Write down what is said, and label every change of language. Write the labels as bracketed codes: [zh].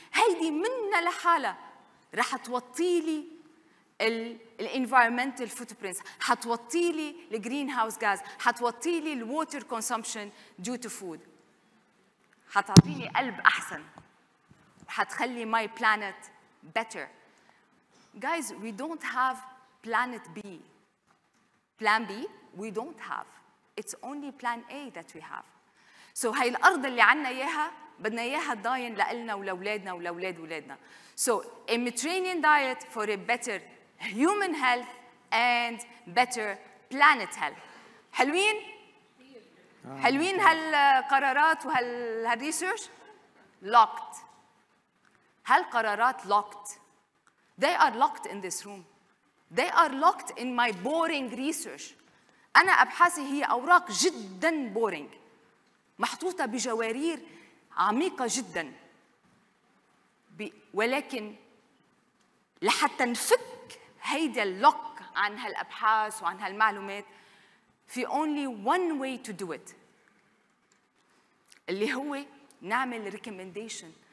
[ar] هيدي منا لحالة رح توطيلي الـ [en] environmental footprints، [ar] حتوطيلي الـ [en] greenhouse gas، [ar] حتوطيلي الـ [en] water consumption due to food، [ar] حتعطيني قلب أحسن، حتخلي [en] my planet better. Guys, we don't have planet B. Plan B, we don't have. It's only plan A that we have. [ar] So هاي الأرض اللي عنا إياها بدنا إياها داين لألنا ولولادنا ولولاد ولادنا. [en] So a Mediterranean diet for a better human health and better planet health. [ar] حلوين؟ حلوين هالقرارات وهالريسيرش؟ locked. هالقرارات locked. [en] They are locked in this room. They are locked in my boring research. [ar] أنا أبحاثي هي أوراق جداً boring، محطوطة بجوارير عميقة جداً. ولكن لحتى نفك هيدا اللوك عن هالأبحاث وعن هالمعلومات، في [en] only one way to do it، [ar] اللي هو نعمل recommendation.